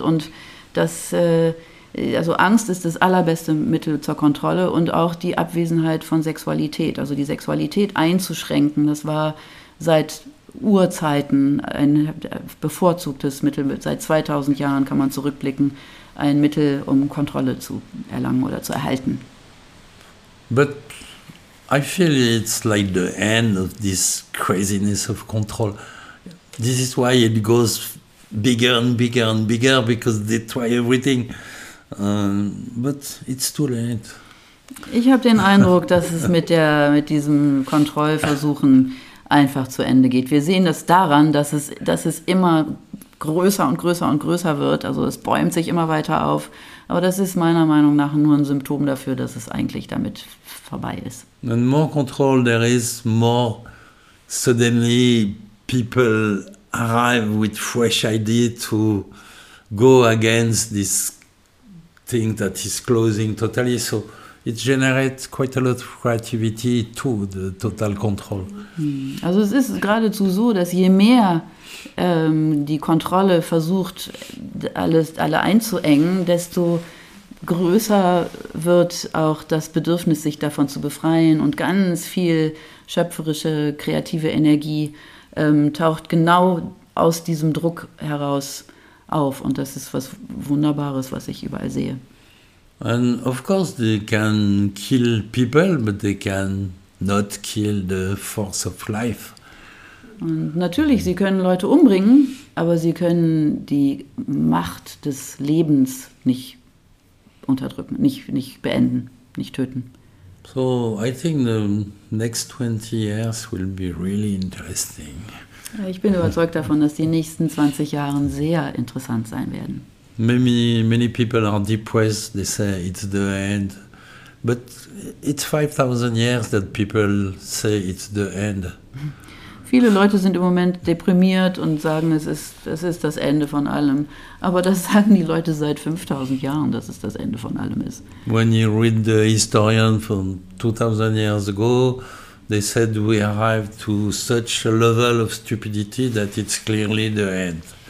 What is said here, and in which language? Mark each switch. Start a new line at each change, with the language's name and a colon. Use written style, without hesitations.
German: Und das, also Angst ist das allerbeste Mittel zur Kontrolle und auch die Abwesenheit von Sexualität, also die Sexualität einzuschränken. Das war seit Urzeiten ein bevorzugtes Mittel, seit 2000 Jahren kann man zurückblicken, ein Mittel, um Kontrolle zu erlangen oder zu erhalten.
English: But I feel it's like the end of this craziness of control. This is why it goes bigger and bigger and bigger, because they try everything. But it's too late.
German: Ich habe den Eindruck, dass es mit diesem Kontrollversuchen einfach zu Ende geht. Wir sehen das daran, dass es immer größer und größer und größer wird. Also es bäumt sich immer weiter auf. Aber das ist meiner Meinung nach nur ein Symptom dafür, dass es eigentlich damit vorbei ist.
English: And more control there is, more suddenly people arrive with fresh idea to go against this thing that is closing totally. So it generates quite a lot of creativity too, the total control.
German: Also es ist geradezu so, dass je mehr die Kontrolle versucht, alle einzuengen, desto größer wird auch das Bedürfnis, sich davon zu befreien, und ganz viel schöpferische, kreative Energie taucht genau aus diesem Druck heraus auf, und das ist was Wunderbares, was ich überall sehe.
English: And of course they can kill people, but they can not kill the force of life.
German: Und natürlich, sie können Leute umbringen, aber sie können die Macht des Lebens nicht unterdrücken, nicht beenden, nicht töten.
English: So I think the next 20 years will be really interesting.
German: Ich bin überzeugt davon, dass die nächsten 20 Jahre sehr interessant sein werden.
English: Many, many people are depressed, they say it's the end. But it's 5000 years that people say it's the end.
German: Viele Leute sind im Moment deprimiert und sagen, es ist das Ende von allem. Aber das sagen die Leute seit 5000 Jahren, dass es das Ende von allem ist.
English: When you read the historian from 2000 years ago, they said we arrived to such a level of stupidity that it's clearly the end.